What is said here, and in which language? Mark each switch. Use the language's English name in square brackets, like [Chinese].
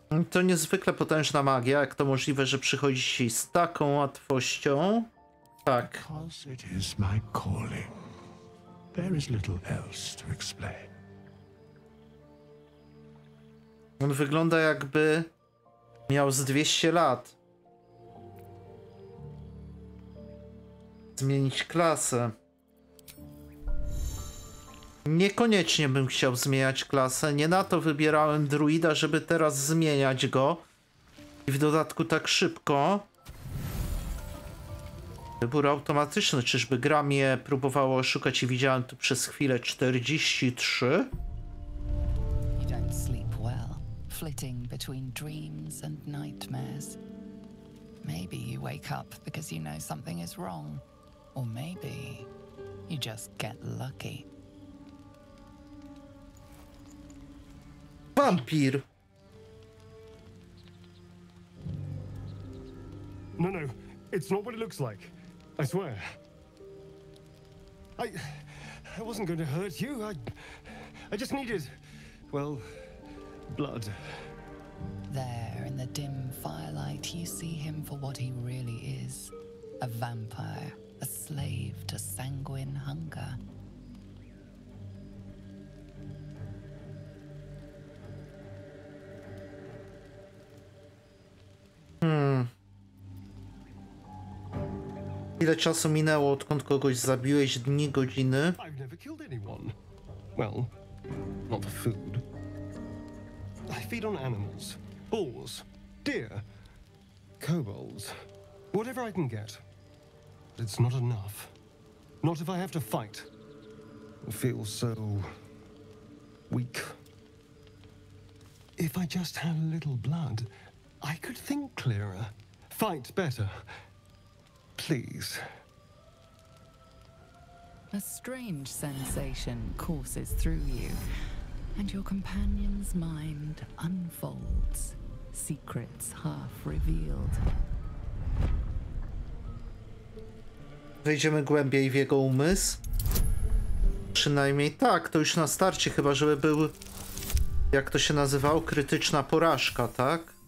[Polish] To niezwykle potężna magia, jak to możliwe, że przychodzi ci z taką łatwością? Tak. [English] Because it is my calling. There is little else to explain. [Polish] On wygląda, jakby miał z 200 lat. Zmienić klasę. Niekoniecznie bym chciał zmieniać klasę. Nie na to wybierałem druida, żeby teraz zmieniać go. I w dodatku tak szybko. Wybór automatyczny. Czyżby gra mnie próbowała oszukać i widziałem tu przez chwilę 43? [English] You don't sleep well, flitting between dreams and nightmares. Maybe you wake up because you know something is wrong. Or maybe you just get lucky. [Polish] Vampir. [English] No, no, it's not what it looks like. I swear. I wasn't going to hurt you. I just needed, well, blood. There, in the dim firelight, you see him for what he really is. A vampire, a slave to sanguine hunger. [Polish] Ile czasu minęło, odkąd kogoś zabiłeś? Dni, godziny? [English] I've never killed anyone. Well, not for food. I feed on animals. Bulls. Deer. Kobolds. Whatever I can get. But it's not enough. Not if I have to fight. I feel so weak. If I just had a little blood, I could think clearer. Fight better. Please. A strange sensation courses through you. and your companion's mind unfolds, secrets half revealed. [Polish] Wejdziemy głębiej w jego umysł? Przynajmniej tak, to już na starcie, chyba żeby był, jak to się nazywało, krytyczna porażka, tak?